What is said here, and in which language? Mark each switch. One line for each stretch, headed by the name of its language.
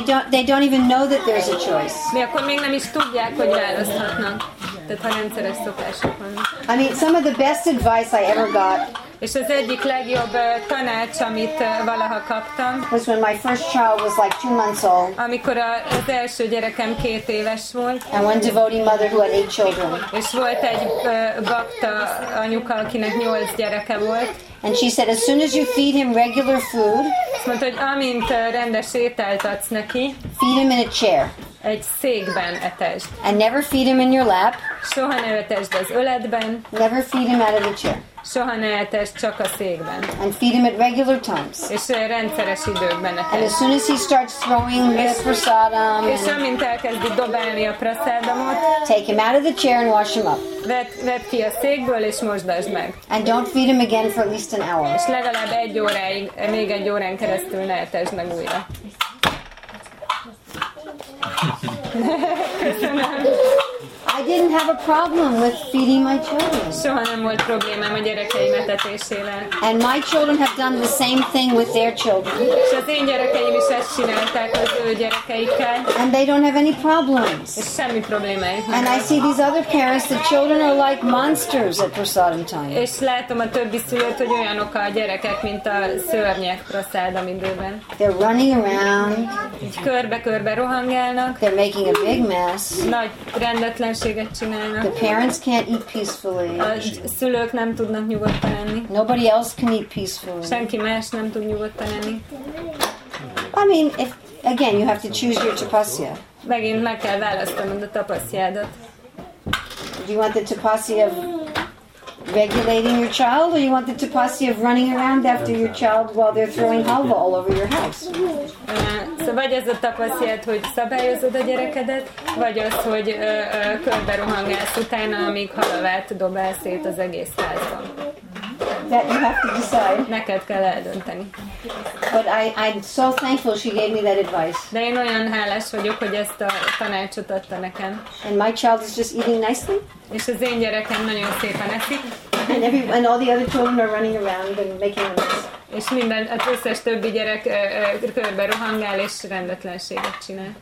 English: They don't even know that there's a choice.
Hungarian: Mi akkor még nem is tudják, hogy választhatnak. Tehát ha rendszeres szokások van.
English: I mean, some of the best advice I ever got.
Hungarian: És az egyik legjobb tanács, amit valaha kaptam.
English: Was when my first child was like 2 months old.
Hungarian: Amikor az első gyerekem 2 éves volt.
English: And one devotee mother who had 8 children.
Hungarian: És volt egy bakta anyuka, akinek 8 gyereke volt.
English: And she said, as soon as you feed him regular food.
Hungarian: Mondta, hogy amint rendes ételt adsz neki.
English: Feed him in a chair.
Hungarian: Egy székben etesd.
English: And never feed him in your lap.
Hungarian: Soha ne etesd az öledben.
English: Never feed him out of the chair.
Hungarian: Soha ne etesd csak a székben.
English: And feed him at regular times.
Hungarian: És rendszeres időkben etesd.
English: And as soon as he starts throwing his prasadam.
Hungarian: És amint elkezdi dobálni a prasadamot.
English: Take him out of the chair and wash him up.
Hungarian: Vedd ki a székből és mosdasd meg.
English: And don't feed him again for at least an hour.
Hungarian: És legalább egy óráig, még egy órán keresztül ne etesd meg újra.
English: I didn't have a problem with feeding my children.
Hungarian: Soha nem volt problémám a gyerekeim etetésével.
English: And my children have done the same thing with their children.
Hungarian: És az én gyerekeim is ezt csinálták az ő gyerekeikkel.
English: And they don't have any problems.
Hungarian: És semmi problémáik.
English: And I see these other parents, the children are like monsters at prasadam time.
Hungarian: És látom a többi szülőt, hogy olyanok a gyerekek, mint a szörnyek prasadam időben.
English: They're running around.
Hungarian: Így körbe-körbe rohangálnak.
English: They're making a big mess.
Hungarian: Nagy rendetlen.
English: The parents can't eat peacefully.
Hungarian: A szülők nem tudnak nyugodtan enni.
English: Nobody else can eat peacefully.
Hungarian: Senki más nem tud nyugodtan enni.
English: I mean, if again, you have to choose your tapasya.
Hungarian: Megint meg kell választanod a tapasziádat.
English: Do you want the tapasya of regulating your child, or you want the tapasya of running around after your child while they're throwing halva all over your house?
Hungarian: Vagy ez a tapasztalat, hogy szabályozod a gyerekedet, vagy az, hogy körbe rohangálsz utána, amíg halavát dobálsz szét az egész házban.
English: That you have to decide.
Hungarian: Neked kell eldönteni.
English: But I'm so thankful she gave me that advice.
Hungarian: De én olyan hálás vagyok, hogy ezt a tanácsot adta nekem.
English: And my child is just eating nicely.
Hungarian: És az én gyerekem nagyon szépen eszik.
English: And all the other children are running around and making a mess.
Hungarian: És minden, az összes többi gyerek körbe rohangál és rendetlenséget csinál.